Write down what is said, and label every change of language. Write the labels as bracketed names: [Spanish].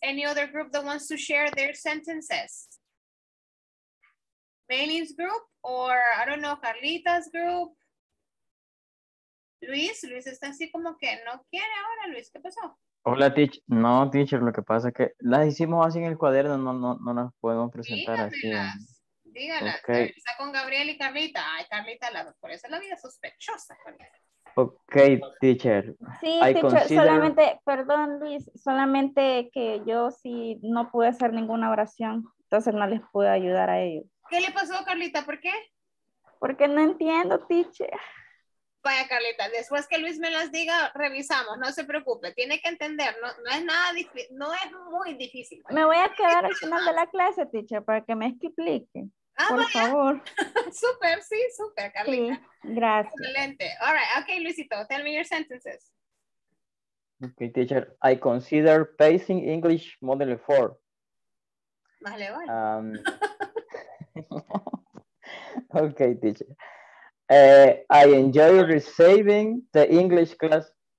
[English] Any other group that wants to share their sentences? Maylin's group, or I don't know, Carlita's group? [Spanish] Luis está así como que no quiere ahora, Luis, ¿qué pasó? Hola, teacher. No, teacher, lo que pasa es que las hicimos así en el cuaderno, no las podemos presentar. Dígalas. Así. Dígalas. Okay. Está con Gabriel y Carlita. Ay, Carlita, por eso la vida sospechosa. Ok, teacher. Sí, solamente, perdón, Luis, solamente que yo sí no pude hacer ninguna oración, entonces no les pude ayudar a ellos. ¿Qué le pasó, Carlita? ¿Por qué? Porque no entiendo, teacher. Vaya, Carlita, después que Luis me las diga, revisamos, no se preocupe, tiene que entender, no es nada difícil, no es muy difícil. Me voy a quedar al final de la clase, teacher, para que me explique. Ah, por vaya. Favor. Súper, sí, súper, Carlita. Sí, gracias. Excelente. [English] All right, okay, Luisito, tell me your sentences. Okay, teacher, I consider passing English Model 4. [Spanish] Vale, vale. [English] Okay, teacher. I enjoy receiving the English class.